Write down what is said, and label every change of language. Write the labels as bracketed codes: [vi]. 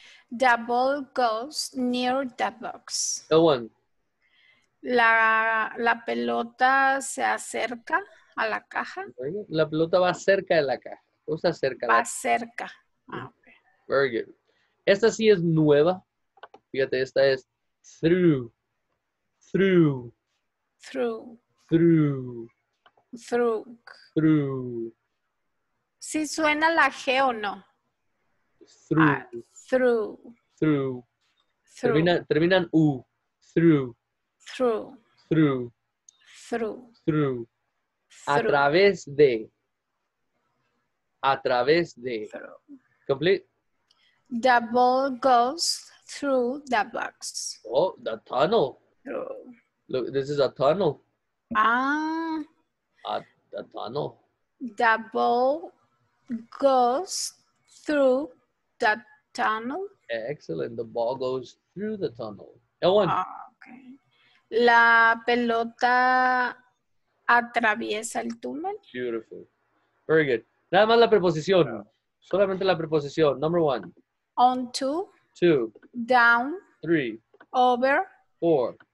[en] The ball goes near the box. The one. [es] La pelota se acerca a la caja. La pelota va cerca de la caja. O sea, cerca. Va cerca. [en] Ah, okay. Very good. [es] Esta sí es nueva. Fíjate, esta es [en] through. Through. Through. Through. Through. Through. [es] ¿Sí suena la G o no? [en] Through. Through. Through. Through. [es] Terminan U. [en] Through. Through. Through. Through. Through. [es] A través de. A través de. [en] Complete. The ball goes through the box. Oh, the tunnel. Look, this is a tunnel. The tunnel. The ball goes through the tunnel. Excellent. The ball goes through the tunnel. Ellen. [es] La pelota atraviesa el túnel. [en] Beautiful. Very good. [es] Nada más la preposición. Solamente la preposición. [en] Number one. Onto. Two. Down. Three. Over. Four.